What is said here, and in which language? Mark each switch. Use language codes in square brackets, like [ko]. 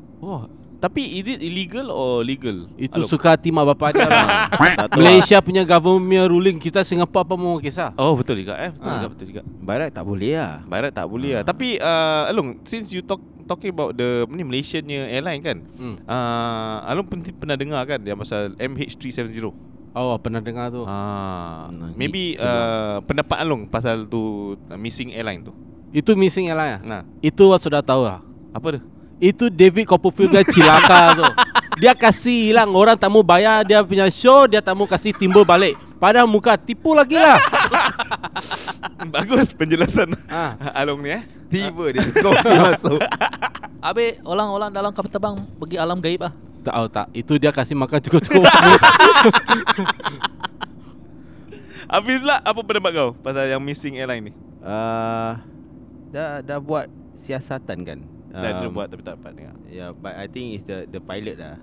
[ms] Wah. Tapi [en] is it illegal or legal? [ms] Itu suka hati mak bapak dia lah. Malaysia punya government ruling, kita Singapura apa mau kisah? Oh betul juga eh. Betul juga. Barat tak boleh lah. Tapi Along, [en] since you talking about [ms] ni Malaysianya airline kan. Along pernah dengar kan yang pasal MH370? Oh pernah dengar tu. Maybe pendapat Along pasal tu missing airline tu. Itu missing airline lah. Nah. Itu sudah tahu lah. Apa dia? Itu David Copperfield dia cilaka tu. Dia kasih hilang orang tak mau bayar dia punya show, dia tak mau kasih timbul balik. Padahal muka tipu lagi lah. Bagus penjelasan Along ni eh. Tiba dia kopi masuk. Abe orang-orang dalam kapal terbang pergi alam gaib ah. Tak tahu tak. Itu dia kasih makan cukup. Habis lah apa pendapat kau pasal yang missing airline ni? Dah buat siasatan kan. Dia buat tapi tak dapat dengar. [en] Yeah, but I think it's the pilot lah.